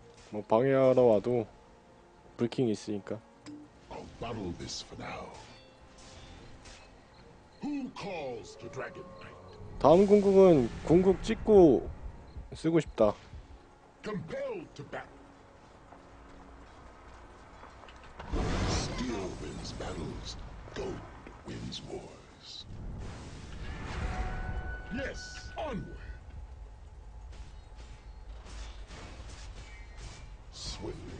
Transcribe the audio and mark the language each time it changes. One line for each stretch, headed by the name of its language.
Korean: 뭐 방해하러 와도 불킹 있으니까.
English: I'll battle this for now. Who calls the dragon knight?
Korean: 다음 궁극은 궁극 찍고 쓰고 싶다.
English: compelled to battle. Steel wins battles, gold wins wars. Yes, onward. Swiftly.